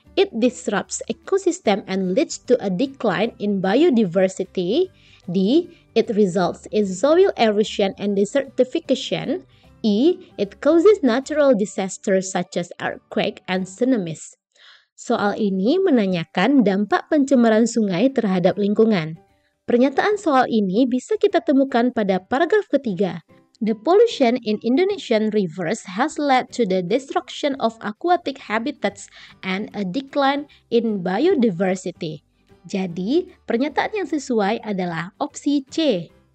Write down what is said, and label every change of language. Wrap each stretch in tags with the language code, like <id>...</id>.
<en>It disrupts ecosystem and leads to a decline in biodiversity. D. It results in soil erosion and desertification. E. It causes natural disasters such as earthquake and tsunamis.</en> <id>Soal ini menanyakan dampak pencemaran sungai terhadap lingkungan. Pernyataan soal ini bisa kita temukan pada paragraf ketiga.</id> <en>The pollution in Indonesian rivers has led to the destruction of aquatic habitats and a decline in biodiversity.</en> <id>Jadi, pernyataan yang sesuai adalah opsi C.</id>